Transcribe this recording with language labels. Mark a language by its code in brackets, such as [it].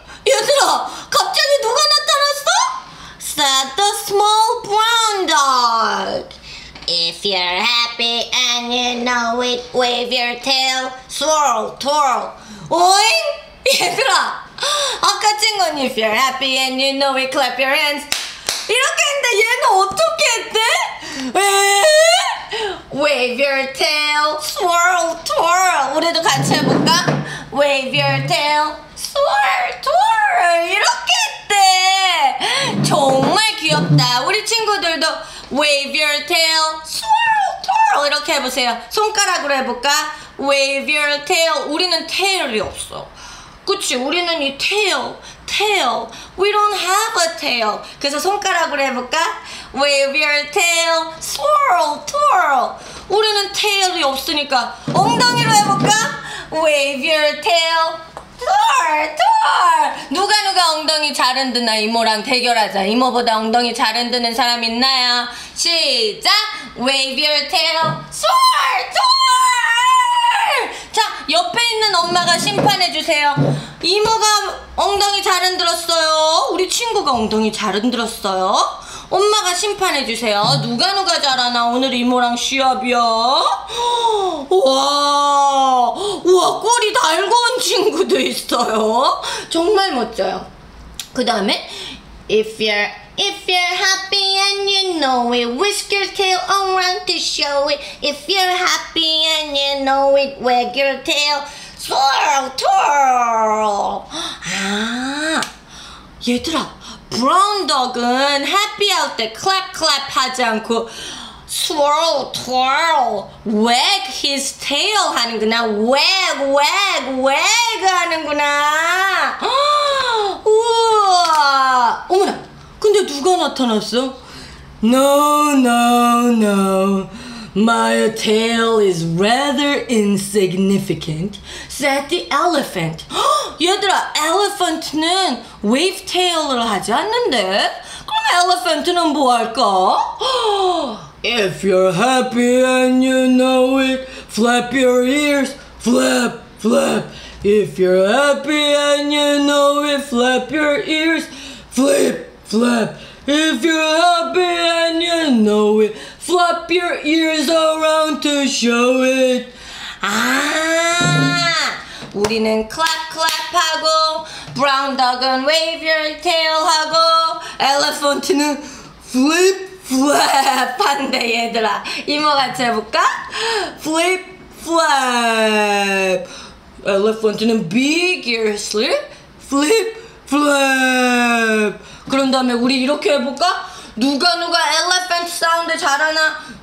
[ko] 얘들아, 갑자기 누가 나타났어? [en] Said the small brown dog. If you're happy and you know it, wave your tail, swirl, twirl. [ko] 오잉? 얘들아, 아까 친건 [en] If you're happy and you know it, clap your hands. [ko] 이렇게 했는데 얘는 어떻게 했대? 왜? [en] Wave your tail, swirl, twirl. [ko] 우리도 같이 해볼까? [en] Wave your tail, swirl, twirl. [ko] 이렇게 했대. 정말 귀엽다. 우리 친구들도 [en] Wave your tail, swirl, twirl. [ko] 이렇게 해보세요. 손가락으로 해볼까? [en] Wave your tail. [ko] 우리는 tail이 없어. 그치? 우리는 이 tail, tail. [en] We don't have a tail. [ko] 그래서 손가락으로 해볼까? [en] Wave your tail, swirl, twirl. [ko] 우리는 tail이 없으니까 엉덩이로 해볼까? [en] Wave your tail, twirl, twirl. [ko] 누가 엉덩이 잘 흔드나 이모랑 대결하자. 이모보다 엉덩이 잘 흔드는 사람 있나요? 시작! Wave your tail, swirl, twirl. 자, 옆에 있는 엄마가 심판해주세요. 이모가 엉덩이 잘 흔들었어요. 우리 친구가 엉덩이 잘 흔들었어요. 엄마가 심판해주세요. 누가 잘하나? 오늘 이모랑 시합이야? 와, 우와, 꼬리 달고온 친구도 있어요. 정말 멋져요. 그 다음에 [en] If you're happy and you know it, whisk your tail around to show it. If you're happy and you know it, wag your tail, twirl, twirl. [ko] 아, 얘들아, 브라운 덕은 happy 할 때 clap clap 하지 않고 [en] swirl twirl wag his tail [ko] 하는구나. wag wag wag 하는구나. 우와. 어머나, 근데 누가 나타났어? [en] No, no, no. My tail is rather insignificant, said the elephant. [ko] 얘들아, elephant는 wave tail을 하지 않는데? 그럼 elephant는 뭐 할까? [en] If you're happy and you know it, flap your ears, flap, flap. If you're happy and you know it, flap your ears, flip, flap. If you're happy and you know it, flap your ears around to show it. [ko] 아, 우리는 clap clap 하고, brown dog은 [en] wave your tail [ko] 하고, elephant는 flip flap 한대. 얘들아, 이모 같이 해볼까? [en] Flip flap. Elephant는 big ears, flip flap. [ko] 그런 다음에 우리 이렇게 해볼까? 누가 엘리펀트 사운드 잘하나?